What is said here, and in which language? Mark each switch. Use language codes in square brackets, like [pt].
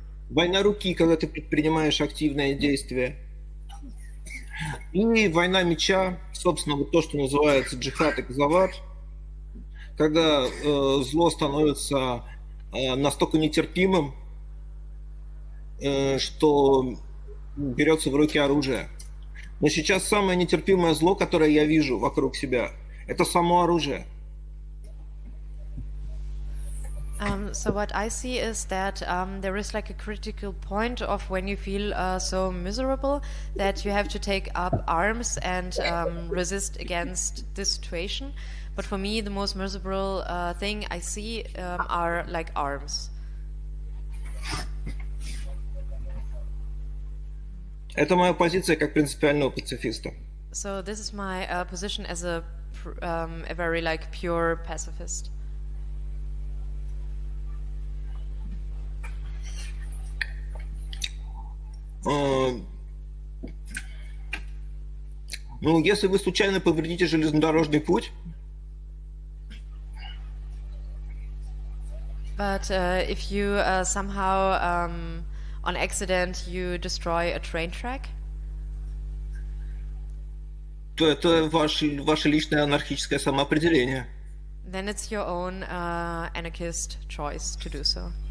[ru] Война руки, когда ты предпринимаешь активное действие. И война меча, собственно, вот то, что называется джихад и кзават, когда зло становится настолько нетерпимым, что берется в руки оружие. Но сейчас самое нетерпимое зло, которое я вижу вокруг себя, это само оружие. [en] So what I see is that there is like a critical point of when you feel so miserable that you have to take up arms and resist against this situation. But for me, the most miserable thing I see are like arms. [ru] Это моя позиция как принципиального пацифиста. [en] So this is my position as a very like pure pacifist. [ru] Ну, если вы случайно повредите железнодорожный путь. [en] But if you somehow on accident you destroy a train track. [ru] То это ваше личное анархическое самоопределение. [en] Then it's your own anarchist choice to do so.